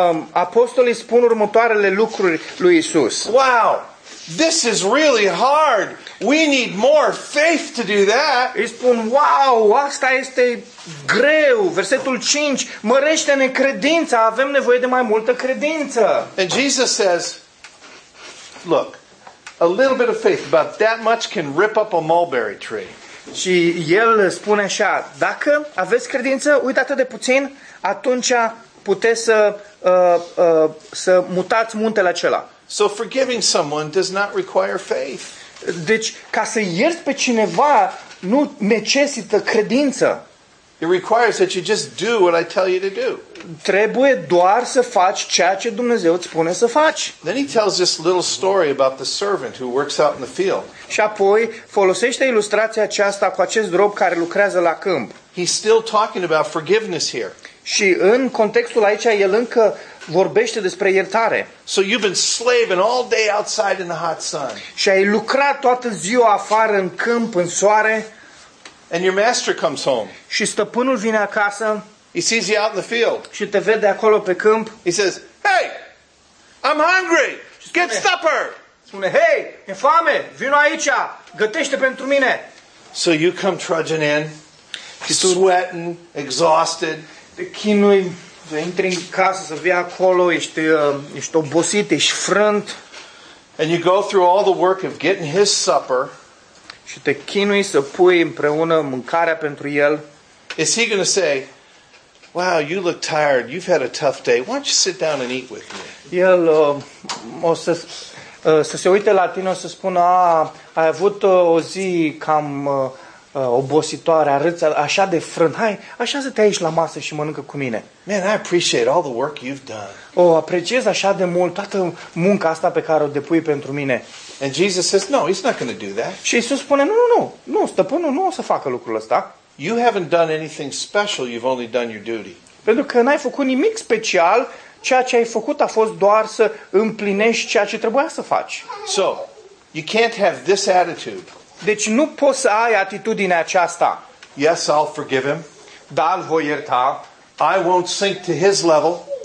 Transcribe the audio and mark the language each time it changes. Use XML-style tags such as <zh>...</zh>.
<ro>Apostolii spun următoarele lucruri lui Isus.</ro> <en>Wow! This is really hard. We need more faith to do that.</en> <ro>Îi spun, wow, asta este greu. Versetul 5, mărește-ne credința. Avem nevoie de mai multă credință.</ro> <en>And Jesus says, look, a little bit of faith, about that much can rip up a mulberry tree.</en> <ro>Și el spune așa: dacă aveți credință, uite atât de puțin, atunci puteți să să mutați muntele acela.</ro> <en>So forgiving someone does not require faith.</en> <ro>Deci ca să ierți pe cineva nu necesită credință.</ro> <en>It requires that you just do what I tell you to do.</en> <ro>Trebuie doar să faci ceea ce Dumnezeu îți spune să faci.</ro> <en>Then he tells this little story about the servant who works out in the field.</en> <ro>Și apoi folosește ilustrația aceasta cu acest rob care lucrează la câmp.</ro> <en>He's still talking about forgiveness here.</en> <ro>Și în contextul aici el încă vorbește despre iertare.</ro> <en>So you've been slaving all day outside in the hot sun.</en> <ro>Și ai lucrat toată ziua afară în câmp, în soare.</ro> <en>And your master comes home.</en> <ro>Și stăpânul vine acasă.</ro> <en>He sees you out in the field.</en> <ro>Și te vede acolo pe câmp.</ro> <en>He says, "Hey, I'm hungry. Get supper."</en> <ro>Spune: "Hey, e foame. Vino aici. Gătește pentru mine."</ro> <en>So you come trudging in, sweating, exhausted.</en> <ro>Te chinui, intri în casă să vii acolo, ești obosit, ești frânt.</ro> <en>And you go through all the work of getting his supper.</en> <ro>Și te chinui să pui împreună mâncarea pentru el.</ro> <en>Is he going to say, "Wow, you look tired. You've had a tough day. Why don't you sit down and eat with me?"</en> <ro>El o să se uite la tine, o să spună: "Ah, ai avut o zi cam obositoare, arăți așa de frânt. Hai, așează-te aici la masă și mănâncă cu mine."</ro> <en>Man, I appreciate all the work you've done.</en> <ro>Oh, apreciez așa de mult toată munca asta pe care o depui pentru mine.</ro> <en>And Jesus says, "No, he's not going to do that."</en> <ro>Și Isus spune: Nu, stăpânul nu o să facă lucrul ăsta.</ro> <en>You haven't done anything special, you've only done your duty.</en> <ro>Pentru că n-ai făcut nimic special, ceea ce ai făcut a fost doar să împlinești ceea ce trebuia să faci.</ro> <en>So, you can't have this attitude.</en> <ro>Deci nu poți să ai atitudinea aceasta.</ro> <en>Yes, I'll forgive him.</en> <ro>Da, îl voi ierta.</ro> <en>I won't sink to his level.</en>